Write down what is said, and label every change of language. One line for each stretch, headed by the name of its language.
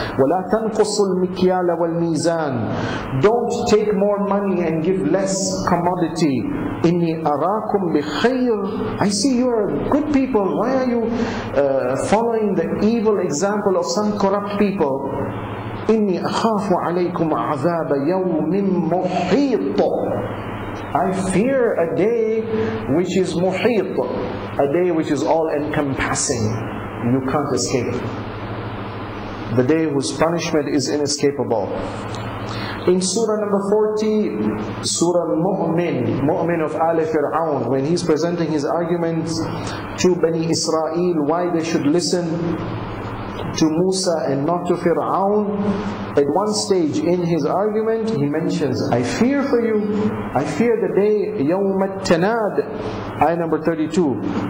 Arabic: وَلَا تَنْقُصُ الْمِكْيَالَ وَالْمِيزَانِ.
English: Don't take more money and give less commodity.
Arabic: إِنِّي أَرَاكُمْ بِخَيْرٍ.
English: I see you are good people. Why are you following the evil example of some corrupt people?
Arabic: إني أخاف عليكم عذاب يوم محيط.
English: I fear a day which is محيط, a day which is all encompassing. You can't escape. The day whose punishment is inescapable. In Surah number 40, Surah Mu'min, Mu'min of Ali Fir'aun, when he's presenting his argument to Bani Israel, why they should listen to Musa and not to Fir'aun, at one stage in his argument, he mentions, I fear for you, I fear the day, Yawm al-Tanad, ayah number 32.